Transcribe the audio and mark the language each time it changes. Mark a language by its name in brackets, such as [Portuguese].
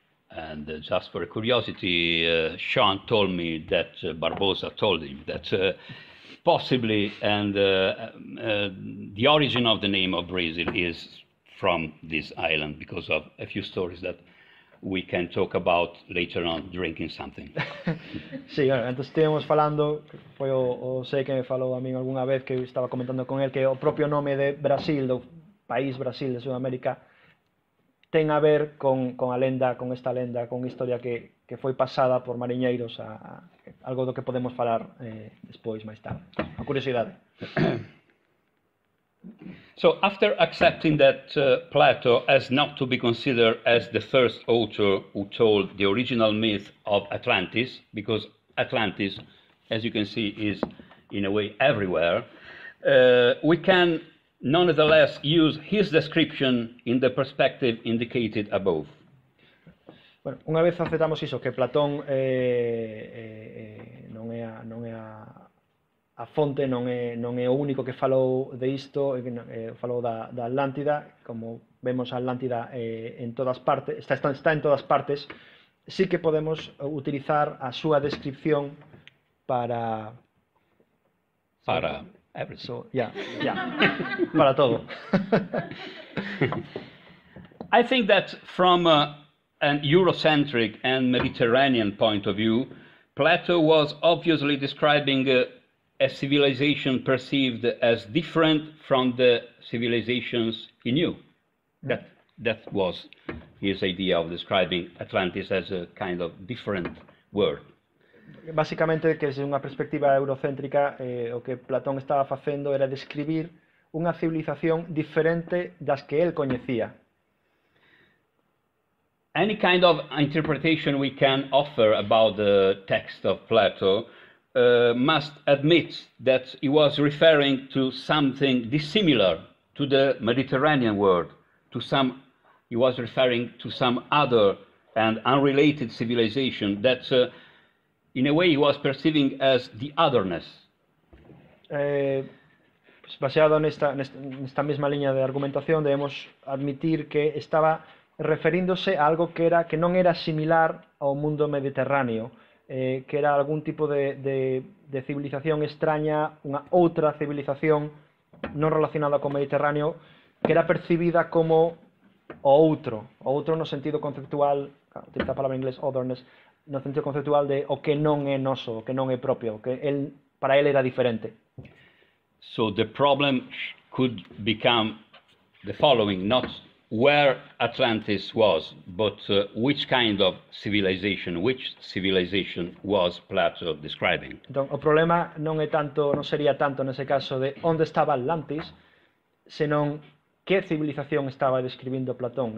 [English] And just for curiosity, Sean told me that Barbosa told him that possibly and the origin of the name of Brazil is from this island because of a few stories that we can talk about later on drinking something. [Spanish] Sí, bueno, entonces estuvimos [Galician] falando, foi o sei que me falou a mí [Spanish] alguna vez [Galician] que estaba comentando con él que o propio nome de Brasil, do país Brasil de Sudamérica, ten a ver con a lenda, con esta lenda, con historia que foi pasada por mariñeiros, a algo do que podemos falar despois, máis tarde. A curiosidade. [English] So, after accepting that Plato has not to be considered as the first author who told the original myth of Atlantis, because Atlantis, as you can see, is in a way everywhere, we can nonetheless use his description in the perspective indicated above. [Galician] Bueno, unha vez aceptamos iso, que Platón non é a fonte, non é o único que falou de isto, falou da Atlántida, como vemos a Atlántida en todas partes, está en todas partes, sí que podemos utilizar a súa descripción para [English] everything. So, yeah. [Galician] Para todo. [English] I think that from an Eurocentric and Mediterranean point of view, Plato was obviously describing a civilization perceived as different from the civilizations he knew. That was his idea of describing Atlantis as a kind of different world. [Galician] Básicamente, que desde unha perspectiva eurocéntrica, o que Platón estaba facendo era describir unha civilización diferente das que él coñecía. [English] Any kind of interpretation we can offer about the text of Plato must admit that he was referring to something dissimilar to the Mediterranean world, he was referring to some other and unrelated civilization that in a way he was perceiving as the otherness. [Galician] Pues baseado nesta mesma liña de argumentación, debemos admitir que estaba referíndose a algo que non era similar ao mundo mediterráneo, que era algún tipo de civilización extraña, unha outra civilización non relacionada co mediterráneo, que era percibida como o outro no sentido conceptual, utiliza a palabra en inglés otherness, no sentido conceptual de o que non é noso, o que non é propio, o que él, para él era diferente. [English] So the problem could become the following, not where Atlantis was, but which kind of civilization, which civilization was Plato describing? [Galician] Então, o problema non é tanto, non sería tanto nesse caso de onde estaba Atlantis, senón que civilización estaba describindo Platón?